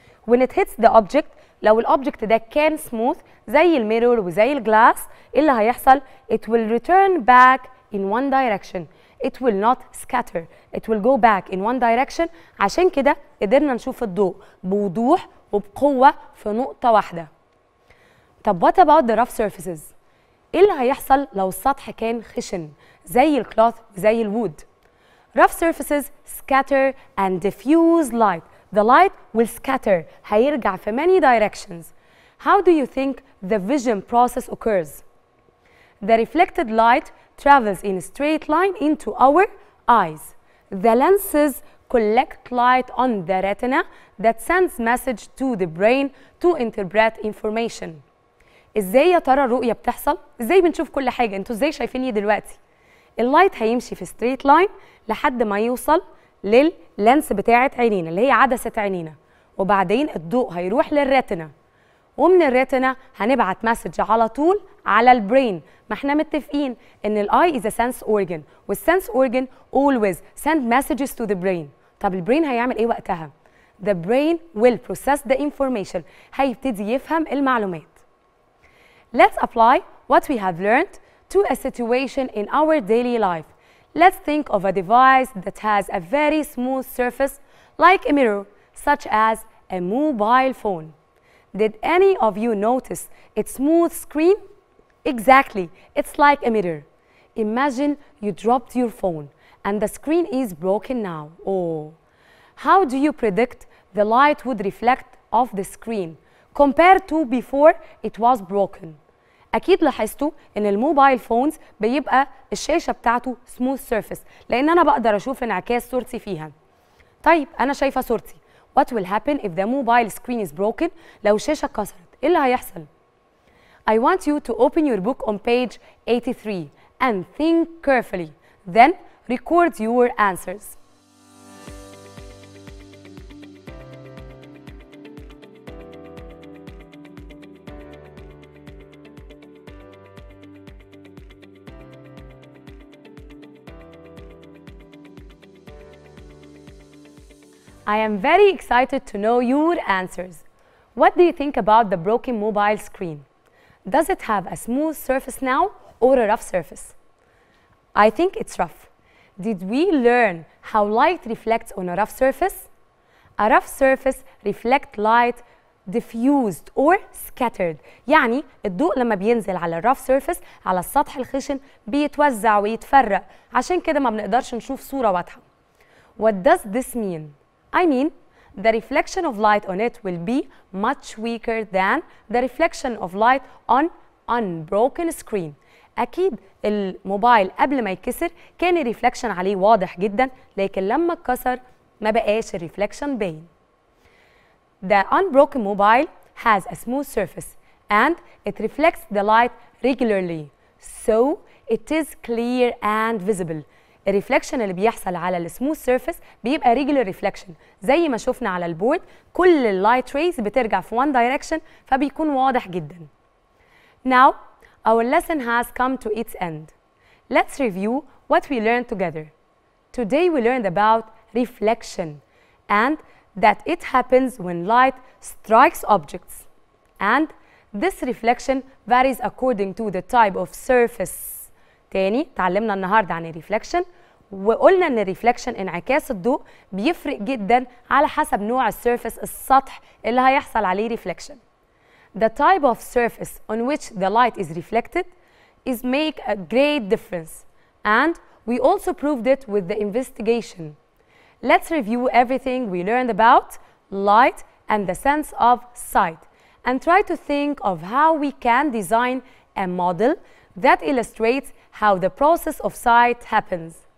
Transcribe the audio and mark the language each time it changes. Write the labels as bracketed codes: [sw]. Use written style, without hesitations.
[en] When it hits the object، [ar] لو الاوبجكت ده كان smooth زي الميرور وزي الجلاس، ايه اللي هيحصل؟ [en] It will return back in one direction. It will not scatter. It will go back in one direction. [ar] عشان كده قدرنا نشوف الضوء بوضوح وبقوة في نقطة واحدة. طب [en] what about the rough surfaces؟ [ar] إيه اللي هيحصل لو السطح كان خشن زي الكلاث زي الوود؟ [en] Rough surfaces scatter and diffuse light. The light will scatter. [ar] هيرجع في [en] many directions. How do you think the vision process occurs? The reflected light travels in a straight line into our eyes. The lenses collect light on the retina that sends message to the brain to interpret information. [ar] ازاي يا ترى الرؤية بتحصل؟ ازاي بنشوف كل حاجة؟ انتوا ازاي شايفيني دلوقتي؟ اللايت هيمشي في straight line لحد ما يوصل لللنس بتاعة عينينا اللي هي عدسة عينينا، وبعدين الضوء هيروح للريتنا، ومن الريتنا هنبعت مسج على طول على البرين. ما احنا متفقين ان [en] الاي is sense organ, والسنس organ always send messages to the brain. [ar] طب البرين هيعمل ايه وقتها؟ [en] the brain will process the information, [ar] هيبتدي يفهم المعلومات. [en] Let's apply what we have learned to a situation in our daily life. Let's think of a device that has a very smooth surface like a mirror, such as a mobile phone. Did any of you notice its smooth screen? Exactly, it's like a mirror. Imagine you dropped your phone and the screen is broken now. Oh, how do you predict the light would reflect off the screen compared to before it was broken? [ar] أكيد لاحظتوا إن الموبايل فونز بيبقى الشاشة بتاعته smooth surface، لأن أنا بقدر أشوف انعكاس صورتي فيها. طيب أنا شايفة صورتي. [en] What will happen if the mobile screen is broken؟ [ar] لو الشاشة اتكسرت، إيه اللي هيحصل؟ [en] I want you to open your book on page 83 and think carefully. Then record your answers. I am very excited to know your answers. What do you think about the broken mobile screen? Does it have a smooth surface now or a rough surface? I think it's rough. Did we learn how light reflects on a rough surface? A rough surface reflects light diffused or scattered. [ar] يعني الضوء لما بينزل على الرف سيرفيس على السطح الخشن بيتوزع ويتفرق عشان كده ما بنقدرش نشوف صورة واضحة. [en] What does this mean? I mean, the reflection of light on it will be much weaker than the reflection of light on unbroken screen. [ar] أكيد الموبايل قبل ما يكسر كان الريفلكشن عليه واضح جدا لكن لما اتكسر ما بقاش الريفلكشن باين. [en] The unbroken mobile has a smooth surface and it reflects the light regularly. So it is clear and visible. [ar] الريفلكشن اللي بيحصل على السموث سيرفيس بيبقى ريجولر ريفلكشن زي ما شفنا على البورد كل اللايت ريز بترجع في وان دايركشن فبيكون واضح جدا. [en] Now our lesson has come to its end. Let's review what we learned together. Today we learned about reflection and that it happens when light strikes objects. And this reflection varies according to the type of surface. [ar] تاني تعلمنا النهاردة عن الريفلكشن وقلنا ان الريفلكشن انعكاس الضوء بيفرق جدا على حسب نوع السيرفيس السطح اللي هيحصل عليه ريفلكشن. [en] The type of surface on which the light is reflected is make a great difference and we also proved it with the investigation. Let's review everything we learned about light and the sense of sight and try to think of how we can design a model that illustrates how the process of sight happens.